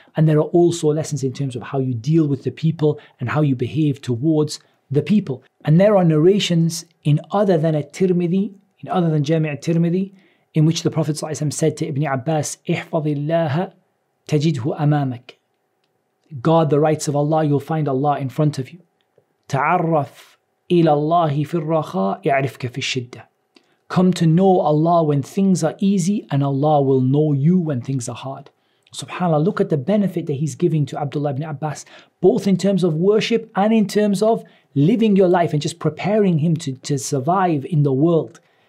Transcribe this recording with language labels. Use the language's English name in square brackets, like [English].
[English] And there are also lessons in terms of how you deal with the people and how you behave towards the people. And there are narrations in other than At-Tirmidhi, in other than Jami' At-Tirmidhi, in which the Prophet ﷺ said to Ibn Abbas, [Arabic] احفظِ الله تجده أمامك. [English] Guard the rights of Allah, you'll find Allah in front of you. [Arabic] تعرف إلى الله في الرخاء يعرفك في الشدة. [English] Come to know Allah when things are easy, and Allah will know you when things are hard. SubhanAllah, look at the benefit that he's giving to Abdullah ibn Abbas, both in terms of worship and in terms of living your life and just preparing him to survive in the world.